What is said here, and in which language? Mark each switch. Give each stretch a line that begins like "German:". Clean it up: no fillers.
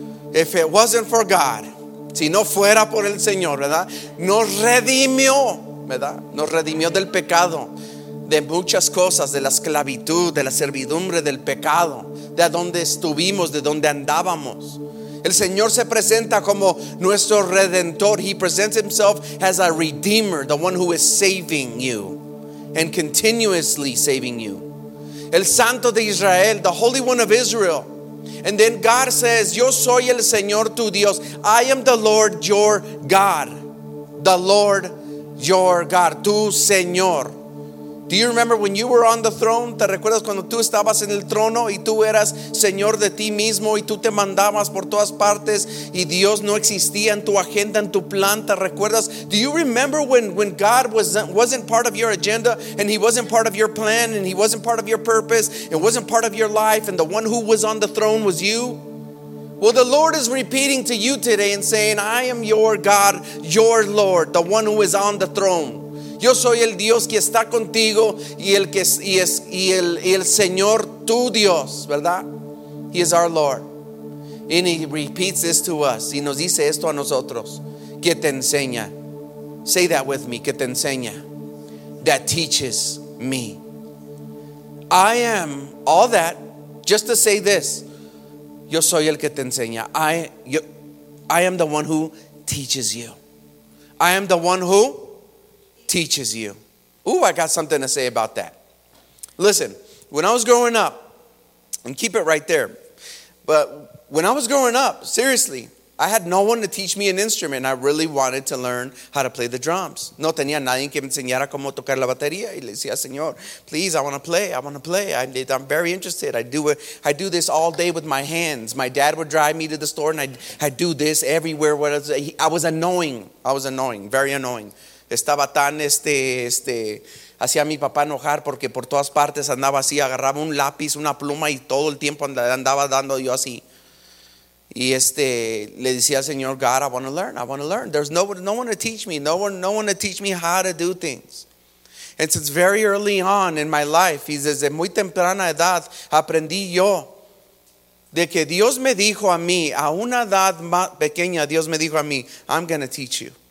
English: If it wasn't for God,
Spanish: si no fuera por el Señor, ¿verdad? Nos redimió, ¿verdad? Nos redimió del pecado, de muchas cosas, de la esclavitud, de la servidumbre, del pecado, de donde estuvimos, de donde andábamos. El Señor se presenta como nuestro Redentor.
English: He presents himself as a Redeemer, the one who is saving you and continuously saving you.
Spanish: El Santo de Israel,
English: the Holy One of Israel. And then God says,
Spanish: yo soy el Señor tu Dios.
English: I am the Lord your God. The Lord your God.
Spanish: Tu Señor.
English: Do you remember when you were on the throne?
Spanish: ¿Te recuerdas cuando tú estabas en el trono y tú eras Señor de ti mismo y tú te mandabas por todas partes y Dios no existía en tu agenda, en tu plan? ¿Te recuerdas?
English: Do you remember when God wasn't part of your agenda and he wasn't part of your plan and he wasn't part of your purpose and wasn't part of your life and the one who was on the throne was you? Well, the Lord is repeating to you today and saying, I am your God, your Lord, the one who is on the throne.
Spanish: Yo soy el Dios que está contigo y el Señor tu Dios, ¿verdad?
English: He is our Lord. And he repeats this to us.
Spanish: Y nos dice esto a nosotros. Que te enseña.
English: Say that with me.
Spanish: Que te enseña.
English: That teaches me. I am all that. Just to say this.
Spanish: Yo soy el que te enseña.
English: I am the one who teaches you. I am the one who teaches you. Ooh, I got something to say about that. Listen, when I was growing up, And keep it right there. But when I was growing up, seriously, I had no one to teach me an instrument. I really wanted to learn how to play the drums.
Spanish: No tenía nadie que me enseñara cómo tocar la batería. Y le decía, Señor,
English: please, I want to play. I'm very interested. I do this all day with my hands. My dad would drive me to the store, and I'd do this everywhere. I was annoying, very annoying.
Spanish: Estaba tan hacía a mi papá enojar porque por todas partes andaba así, agarraba un lápiz, una pluma y todo el tiempo andaba dando yo así. Y le decía al Señor,
English: God, I want to learn. There's no one to teach me how to do things. And since very early on in my life,
Spanish: y desde muy temprana edad, aprendí yo de que Dios me dijo a mí, a una edad más pequeña, Dios me dijo a mí,
English: I'm going to teach you.